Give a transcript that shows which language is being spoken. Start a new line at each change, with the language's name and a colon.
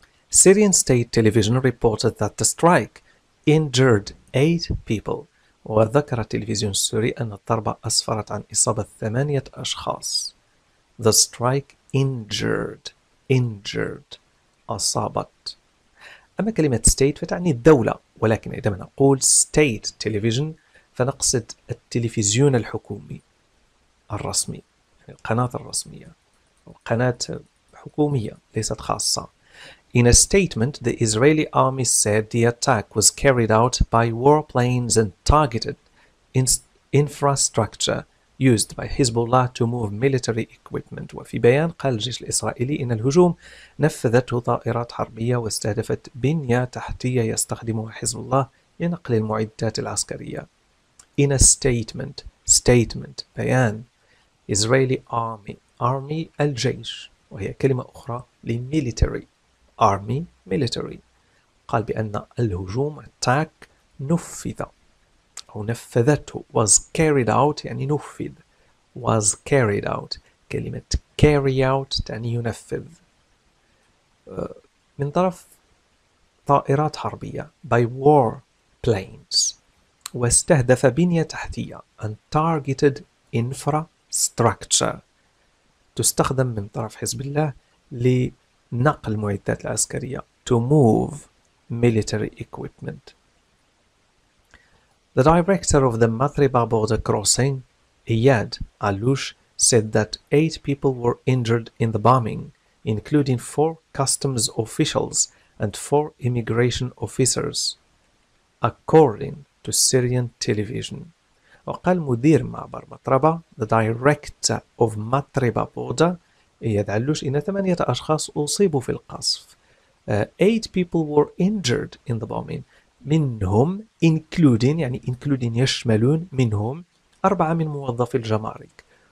English: Syrian state television reported that the strike injured 8 people.
Arabic: وذكر التلفزيون السوري أن الضربة أسفرت عن إصابة 8 أشخاص.
English: The strike injured أصابت.
Arabic: أما كلمة state فتعني الدولة، ولكن عندما نقول
English: state television
Arabic: فنقصد التلفزيون الحكومي الرسمي، يعني القناة الرسمية أو قناة حكومية ليست خاصة.
English: In a statement, the Israeli army said the attack was carried out by warplanes and targeted infrastructure used by Hezbollah to move military equipment.
Arabic: وفي بيان قال الجيش الإسرائيلي إن الهجوم نفذته طائرات حربية واستهدفت بنية تحتية يستخدمها حزب الله لنقل المعدات العسكرية.
English: In a statement
Arabic: بيان
English: Israeli army
Arabic: الجيش، وهي كلمة أخرى لميليتري army military، قال بأن الهجوم attack نفذ أو نفذته
English: was carried out
Arabic: يعني نفذ was carried out. كلمة carry out تعني ينفذ من طرف طائرات حربية
English: by war planes.
Arabic: واستهدف بنية تحتية
English: and targeted infrastructure
Arabic: تستخدم من طرف حزب الله لنقل المعدات العسكرية
English: to move military equipment. The director of the Maghreba border crossing, Iyad Alouche, said that 8 people were injured in the bombing, including 4 customs officials and 4 immigration officers, according to Syrian television.
Arabic: وقال مدير معبر مطربة,
English: the director of Matreba border,
Arabic: إياد علوش, إن 8 أشخاص أصيبوا في القصف.
English: 8 people were injured in the bombing.
Arabic: منهم
English: including,
Arabic: يعني
English: including
Arabic: يشملون منهم 4 من موظفي الجمارك.